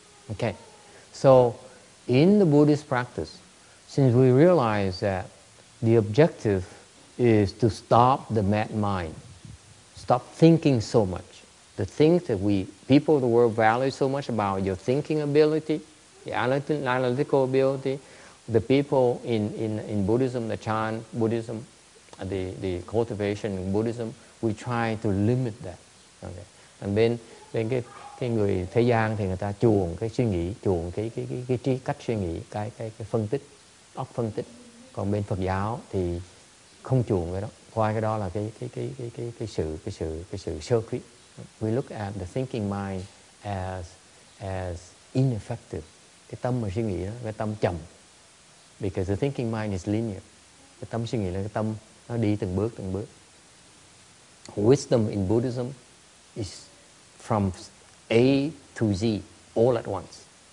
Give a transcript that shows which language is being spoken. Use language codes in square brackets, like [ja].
[en] Okay, so in the Buddhist practice, since we realize that the objective is to stop the mad mind, stop thinking so much. The thing that we people of the world value so much about your thinking ability, your analytical ability, the people in Buddhism, the Chan Buddhism, the cultivation in Buddhism, we try to limit that. Okay. [vi] And then cái người thế gian thì người ta chuộng cái suy nghĩ, chuộng cái trí cách suy nghĩ, cái phân tích, óc phân tích. Còn bên Phật giáo thì không chuộng cái đó. Coi cái đó là cái sự sơ khuyết. [en] We look at the thinking mind as ineffective. [vi] Cái tâm mà suy nghĩ đó, cái tâm chậm. [en] Because the thinking mind is linear. [vi] Cái tâm suy nghĩ là cái tâm nó đi từng bước. [en] Wisdom in Buddhism is from A to Z, all at once.